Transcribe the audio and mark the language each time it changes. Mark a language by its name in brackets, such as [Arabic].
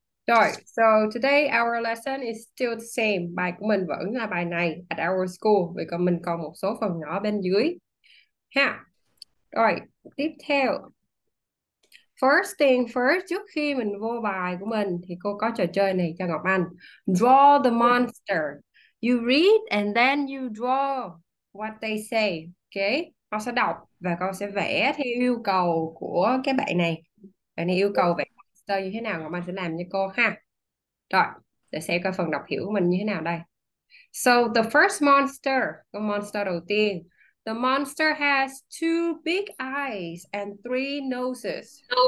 [English] Rồi, so today our lesson is still the same. [Vietnamese] Bài của mình vẫn là bài này [English] at our school. [Vietnamese] Vậy còn mình còn một số phần nhỏ bên dưới. Ha. Rồi, tiếp theo. [English] First thing first, [Vietnamese] trước khi mình vô bài của mình thì cô có trò chơi này cho Ngọc Anh. [English] Draw the monster. You read and then you draw what they say. [Vietnamese] Ok, con sẽ đọc và con sẽ vẽ theo yêu cầu của cái bạn này. Bạn này yêu cầu vẽ monster như thế nào, Ngọc Anh sẽ làm cho cô ha. Rồi, để xem coi phần đọc hiểu của mình như thế nào đây. [English] So the first monster, [Vietnamese] con monster đầu tiên. [English] The monster has two big eyes and three noses.